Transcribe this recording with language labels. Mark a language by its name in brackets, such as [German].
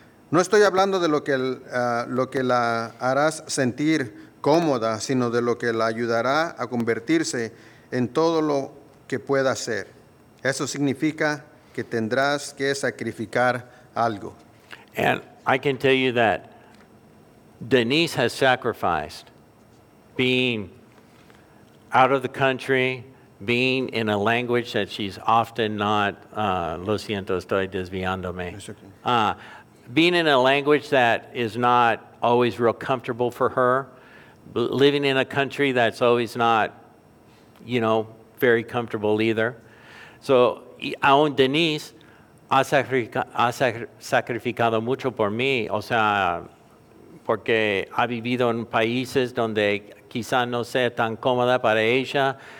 [Spanish] No estoy hablando de lo que la harás sentir cómoda, sino de lo que la ayudará a convertirse en todo lo que pueda ser. Eso significa que tendrás que sacrificar algo. [English] And I can tell you that Denise has sacrificed being out of the country, being in a language that she's often not, [Spanish] lo siento, estoy desviándome. [English] Being in a language that is not always real comfortable for her, living in a country that's always not, very comfortable either. [Spanish] So, aún Denise ha sacrificado mucho por mí, o sea, porque ha vivido en países donde quizá no sea tan cómoda para ella.